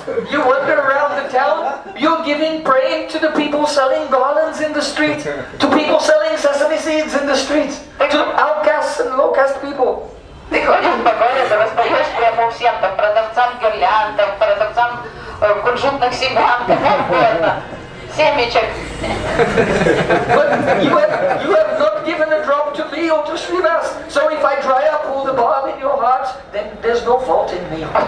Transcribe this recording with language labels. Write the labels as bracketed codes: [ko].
[en] You wander around the town, you're giving bread to the people selling garlands in the street, to people selling sesame seeds in the street, to outcasts and low caste people. [ru] Ты ходишь по городу, распаешь прямо всем, там, продавцам гирляндов, продавцам кунжутных семян, семечек. [en] But you have not given a drop to me or to Shrivas. So if I dry up all the balm in your heart, then there's no fault in me.